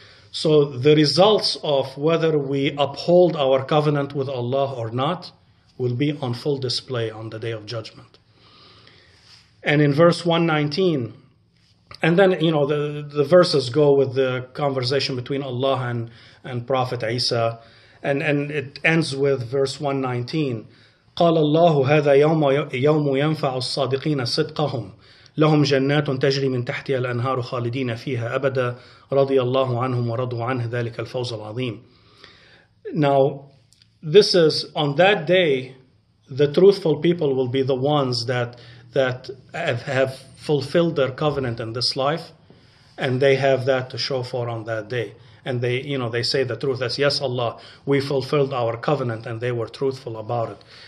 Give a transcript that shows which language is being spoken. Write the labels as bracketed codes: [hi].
[en] So the results of whether we uphold our covenant with Allah or not will be on full display on the day of judgment. And in verse 119, and then, you know, the verses go with the conversation between Allah and Prophet Isa. And it ends with verse 119. [ar] قال الله هذا يوم يوم ينفع الصادقين صدقهم لهم جنات تجري من تحتها الأنهار خالدين فيها أبدا رضي الله عنهم ورضوا عنه ذلك الفوز العظيم. [en] Now, this is on that day, the truthful people will be the ones that have fulfilled their covenant in this life, and they have that to show for on that day. And they, you know, they say the truth as, yes, Allah, we fulfilled our covenant, and they were truthful about it.